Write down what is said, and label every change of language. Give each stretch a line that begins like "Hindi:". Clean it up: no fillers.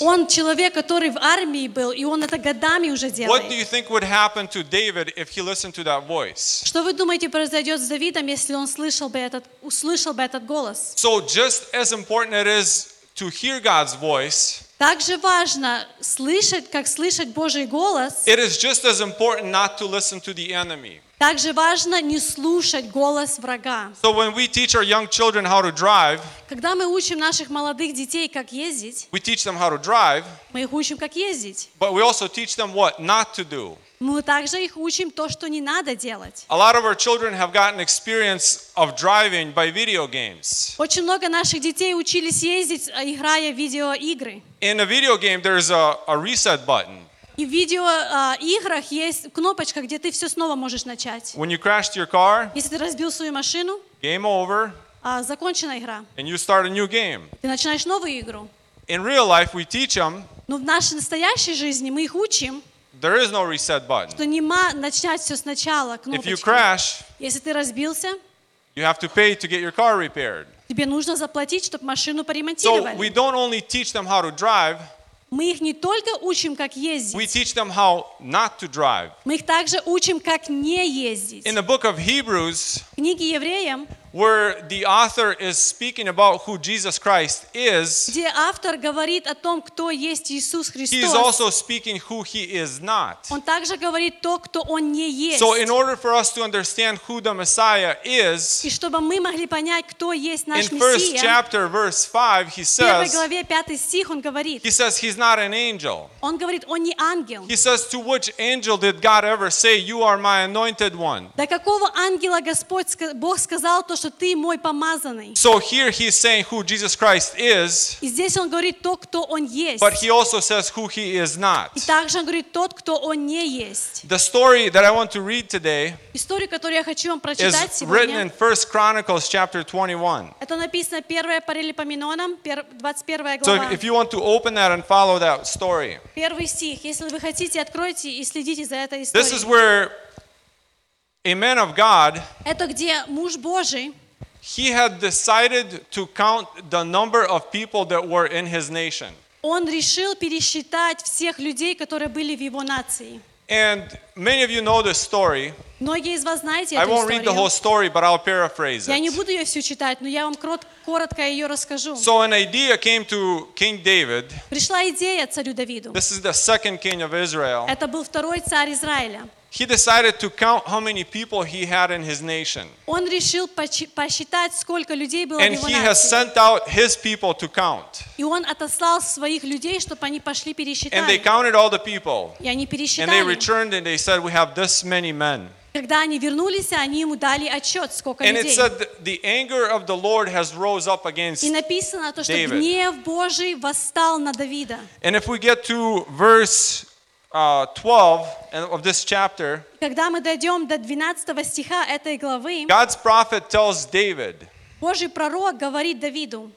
Russian: Он человек, который в армии был, и он это годами уже делает.
English: What do you think would happen to David if he listened to that voice?
Russian: Что вы думаете произойдет с Давидом, если он услышал бы этот голос?
English: So just as important it is to hear God's voice.
Russian: Также важно слышать, как слышать Божий голос.
English: It is just as important not to listen to the enemy.
Russian: Также важно не слушать голос врага.
English: So when we teach our young children how to drive,
Russian: когда мы учим наших молодых детей как ездить,
English: we teach them how to drive,
Russian: мы их учим как ездить.
English: But we also teach them what not to do.
Russian: Мы также их учим то, что не надо делать.
English: A lot of our children have gotten experience of driving by video games.
Russian: Очень много наших детей учились ездить, играя в видеоигры.
English: In a video game, there's a reset button.
Russian: И в видеоиграх есть кнопочка, где ты все снова можешь начать.
English: When you crashed your car,
Russian: если ты разбил свою машину,
English: game over,
Russian: закончена игра.
English: And you start a new game.
Russian: Ты начинаешь новую игру.
English: In real life, we teach them,
Russian: но в нашей настоящей жизни мы их учим,
English: there is no reset button.
Russian: Что нема начать все сначала, кнопочка.
English: If you crash,
Russian: если ты разбился,
English: you have to pay to get your car repaired.
Russian: Тебе нужно заплатить, чтобы машину поремонтировали.
English: So we don't only teach them how to drive,
Russian: мы их не только учим, как ездить.
English: We teach them how not to drive.
Russian: Мы их также учим, как не ездить.
English: In the book of Hebrews,
Russian: в книге Евреям,
English: where the author is speaking about who Jesus Christ is,
Russian: где автор говорит о том, кто есть Иисус Христос,
English: he is also speaking who he is not.
Russian: Он также говорит то, кто он не есть.
English: So in order for us to understand who the Messiah is,
Russian: и чтобы мы могли понять, кто есть наш Мессия,
English: in first chapter, verse 5, he says,
Russian: в первой главе, пятый стих, он говорит,
English: he says he's not an angel.
Russian: Он говорит, он не ангел.
English: He says, to which angel did God ever say, you are my anointed one?
Russian: До какого ангела Господь, Бог сказал, то, что ты мой помазанный.
English: So here he is saying who Jesus Christ is.
Russian: И здесь он говорит то, кто он есть.
English: But he also says who he is not.
Russian: И также он говорит тот, кто он не есть.
English: The story that I want to read today.
Russian: История, которую я хочу вам прочитать сегодня.
English: Is written in 1 Chronicles chapter 21.
Russian: Это написано первое Паралипоменонам, 21 глава.
English: So if you want to open that and follow that story.
Russian: Первый стих, если вы хотите, откройте и следите за этой историей.
English: This is where a man of God,
Russian: это где муж Божий,
English: he had decided to count the number of people that were in his nation.
Russian: Он решил пересчитать всех людей, которые были в его нации.
English: And many of you know this story.
Russian: Многие из вас знаете эту историю.
English: I won't read the whole story, but I'll paraphrase it.
Russian: Я не буду ее всю читать, но я вам коротко ее расскажу.
English: So an idea came to King David.
Russian: Пришла идея царю Давиду.
English: This is the second king of Israel.
Russian: Это был второй царь Израиля.
English: He decided to count how many people he had in his nation.
Russian: Он решил посчитать, сколько людей было в его нации.
English: And he has sent out his people to count.
Russian: И он отослал своих людей, чтобы они пошли пересчитали.
English: And they counted all the people.
Russian: И они пересчитали.
English: And they returned and they said, "We have this many men."
Russian: Когда они вернулись, они ему дали отчет, сколько людей.
English: And it said the anger of the Lord has rose up against David.
Russian: И написано то, что гнев Божий восстал на Давида.
English: And if we get to verse 12 of this chapter,
Russian: когда мы дойдем до 12 стиха этой главы,
English: God's prophet tells David,
Russian: Божий пророк говорит Давиду,